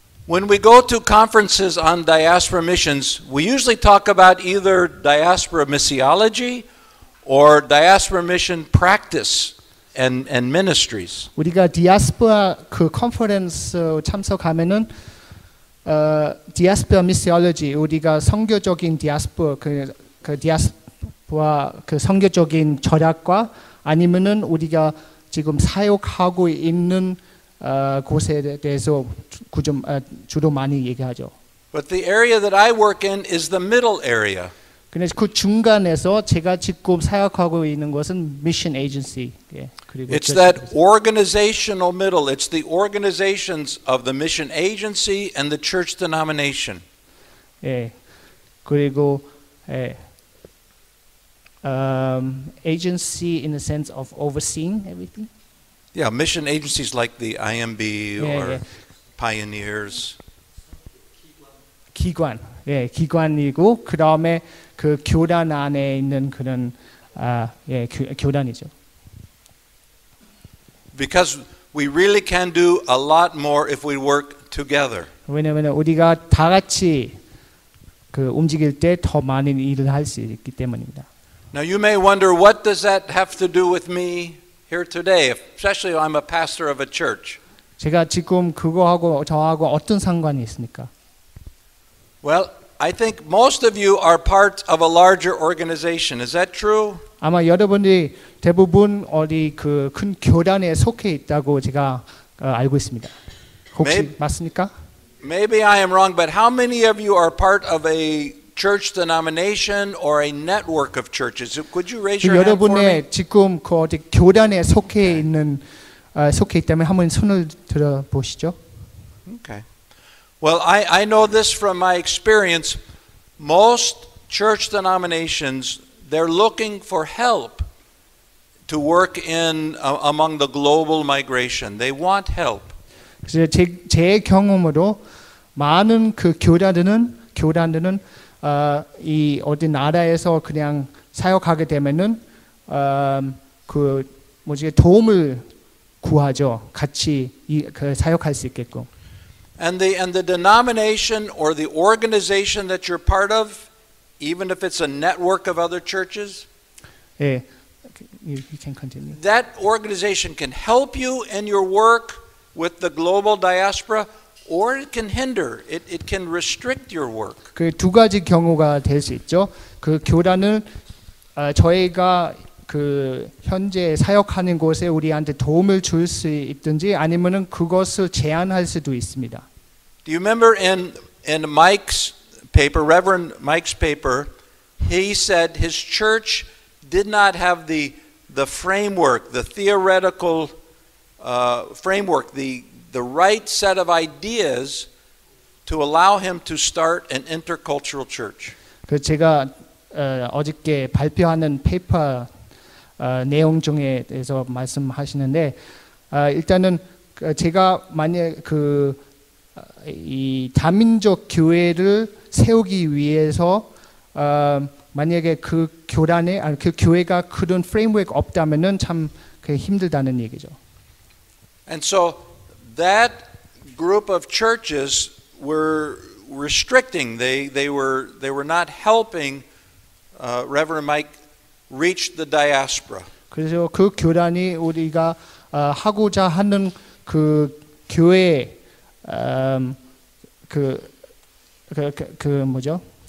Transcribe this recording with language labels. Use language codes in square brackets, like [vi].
[en] When we go to conferences on diaspora missions, we usually talk about either diaspora missiology or diaspora mission practice and ministries. [ko] 우리가 디아스포라 그 컨퍼런스 참석하면은 디아스포라 미시올로지 우리가 선교적인 디아스포라 그 디아스포라 그 선교적인 절약과 아니면은 우리가 지금 사역하고 있는 곳에 대해서 주로 많이 얘기하죠. [en] But the area that I work in is the middle area. [ko] 근데 그 중간에서 제가 지금 사역하고 있는 것은 미션 에이전시. [en] It's that organizational middle. It's the organizations of the mission agency and the church denomination. [ko] 예. 그리고 예. [en] Agency in the sense of overseeing everything. Yeah, mission agencies like the IMB or pioneers. [ko] 기관. 예, 기관이고 그다음에 그 교단 안에 있는 그런 예, 교단이죠. [en] Because we really can do a lot more if we work together. [ko] 왜냐면 우리가 다 같이 그 움직일 때 더 많은 일을 할 수 있기 때문입니다. [en] Now you may wonder, what does that have to do with me here today, especially if I'm a pastor of a church? [ko] 제가 지금 그거하고 저하고 어떤 상관이 있습니까? [en] Well, I think most of you are part of a larger organization. Is that true? [ko] 아마 여러분들이 대부분 어디 그 큰 교단에 속해 있다고 제가 알고 있습니다. 혹시 맞습니까? [en] Maybe I am wrong, but how many of you are part of a church denomination or a network of churches? Could you raise your hand for me? [ko] 여러분의 지금 그 어디 교단에 속해 있는 속해 있다면 한번 손을 들어 보시죠. [en] Okay. Well, I know this from my experience. Most church denominations, they're looking for help to work in among the global migration. They want help. [ko] 제 경험으로 많은 그 교단들은 이 어디 나라에서 그냥 사역하게 되면은 그 뭐지 도움을 구하죠. 같이 이 그 사역할 수 있겠고. [en] And the denomination or the organization that you're part of, even if it's a network of other churches, yeah, you can continue. That organization can help you in your work with the global diaspora. Or it can hinder. It can restrict your work. [ko] 그 두 가지 경우가 될 수 있죠. 그 교단은 저희가 그 현재 사역하는 곳에 우리한테 도움을 줄 수 있든지 아니면은 그것을 제한할 수도 있습니다. [en] Do you remember in Mike's paper, Reverend Mike's paper, he said his church did not have the framework, the theoretical framework, the right set of ideas to allow him to start an intercultural church. [ko] 그 제가 어저께 발표하는 페이퍼 내용 중에 대해서 말씀하시는데 일단은 제가 만약 그 이 다민족 교회를 세우기 위해서 만약에 그 교단에 아니 그 교회가 그런 프레임워크 없다면은 참 그 힘들다는 얘기죠. [en] And so that group of churches restricting. They were not helping Reverend Mike reach the diaspora. [ko] 그래서 그 교단이 우리가 하고자 하는 그 교회 그 뭐죠?